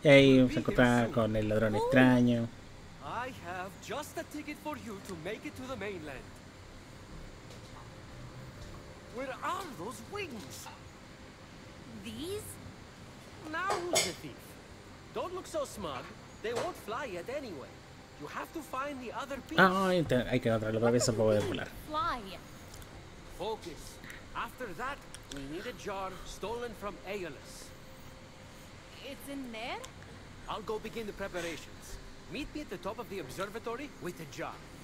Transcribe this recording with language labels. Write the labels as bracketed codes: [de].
[es] y ahí se encuentra con el ladrón extraño. [en] I have just a ticket for you to make it to the mainland. Where are those wings? These? Now who's the thief? Don't look so smug. They won't fly yet anyway. You have to find the other piece. [es] Ah, hay que encontrar la otra pieza para poder volar. [en] Fly. Focus. After that, we need a jar stolen from Aeolus. It's in there? I'll go begin the preparations. Meet me at the top of the observatory with the jar.